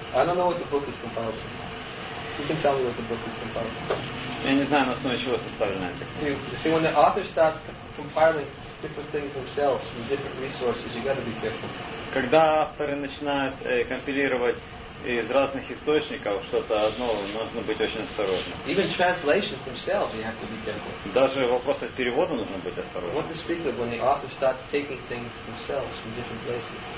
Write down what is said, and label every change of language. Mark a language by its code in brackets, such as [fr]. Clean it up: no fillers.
[en] I don't know what the book is compiled from. You can tell me what the book is compiled from. [ru] Я не знаю, на основе чего составлено это. [en] See, when the author starts compiling different things themselves from different resources, you got to be careful. [ru] Когда авторы начинают компилировать из разных источников что-то одно, нужно быть очень осторожным. [en] Even translations themselves, you have to be careful. [ru] Даже в вопросах перевода нужно быть осторожным. [en] What to speak of when the author starts taking things themselves from different places?